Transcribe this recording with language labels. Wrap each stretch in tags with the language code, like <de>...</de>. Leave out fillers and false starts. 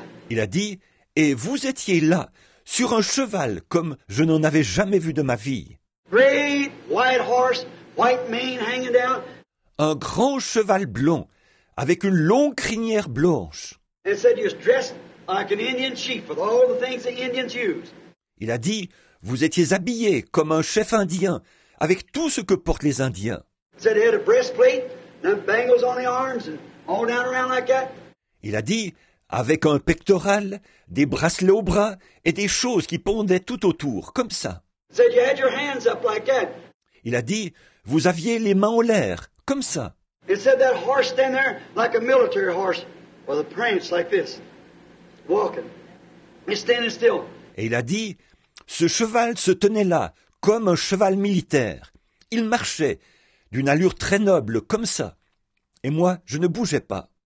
<fr>Il a dit, et vous étiez là, sur un cheval comme je n'en avais jamais vu de ma vie.</fr> <en>Great white horse, white mane hanging down.</en> <fr>Un grand cheval blanc, avec une longue crinière blanche. Il a dit, vous étiez</fr> <en>like an Indian chief with all the things the Indians use.</en> <fr>Il a dit, vous étiez habillé comme un chef indien avec tout ce que portent les Indiens.</fr> <en>Said he had a breastplate and bangles on the arms and all down around like that.</en> <fr>Il a dit, avec un pectoral, des bracelets aux bras et des choses qui pendaient tout autour, comme ça.</fr> <en>Said you had your hands up like that.</en> <fr>Il a dit, vous aviez les mains en l'air, comme ça.</fr> <en>It said that horse stand there like a military horse with a prance like this. Walking. He's standing still.</en> <fr>Et il a dit, ce cheval se tenait là, comme un cheval militaire. Il marchait, d'une allure très noble, comme ça. Et moi, je ne bougeais pas.</fr>